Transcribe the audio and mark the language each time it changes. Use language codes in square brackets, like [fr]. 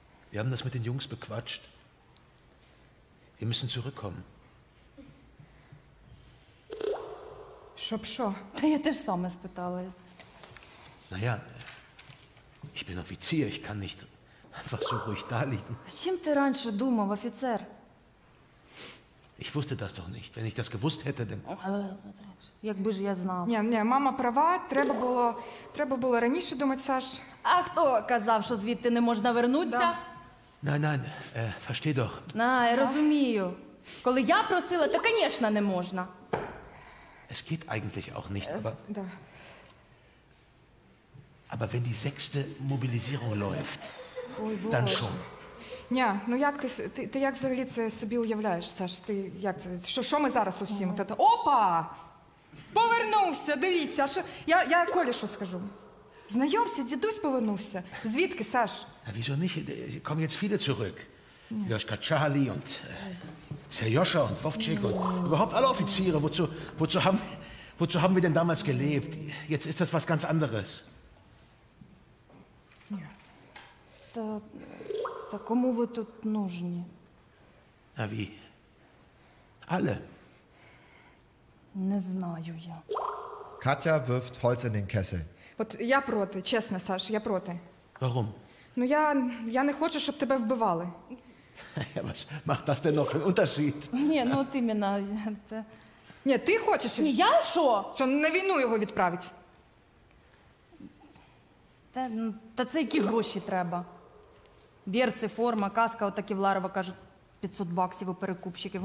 [de] Wir haben das mit den Jungs bequatscht. Wir müssen zurückkommen. [uk] Щоб що? Та я теж саме спитала. [de] Наja, ich bin Offizier, ich kann nicht einfach so ruhig da liegen. [uk] Чим ти раніше думав, офіцер? [de] Ich wusste das doch nicht. Wenn ich das gewusst hätte, dann... [uk] Якби ж я знав. Ні, мама права, треба було раніше думати, Саш. А хто казав, що звідти не можна вернутися? [de] Nein, versteh doch. Nein, [uk] розумію. Коли я просила, то, конечно, не можна. [de] Es geht eigentlich auch nicht, aber... [uk] Da. [de] Aber wenn die sechste Mobilisierung läuft, dann schon. [uk] Ja, ну як ти як взагалі це собі уявляєш, Саш? Ти як це? Що ми зараз усім? Опа! Повернувся, дивіться, що... Я Колі що скажу? Знайомся, дідусь повернувся. Звідки, Саш? [de] Na, wieso nicht? Sie kommen jetzt viele zurück. Joschka Charlie und Serjoscha und Wovcik und überhaupt alle Offiziere. Wozu haben wir denn damals gelebt? Jetzt ist das was ganz anderes. [uk] Та кому ви тут нужні? [de] Na, wie? Alle. [uk] Не знаю я. Katja wirft Holz in den Kessel. От я проти, чесно, Саш, я проти. [de] Warum? [uk] Ну я не хочу, щоб тебе вбивали. [de] Was macht das denn noch für einen Unterschied? [uk] Ні, ну ти мене... Це... Ні, ти хочеш... Ні, я що? Що на війну його відправити. Та це які гроші треба? Вірці, форма, каска, от так Євларова кажуть, 500 баксів у перекупщиків.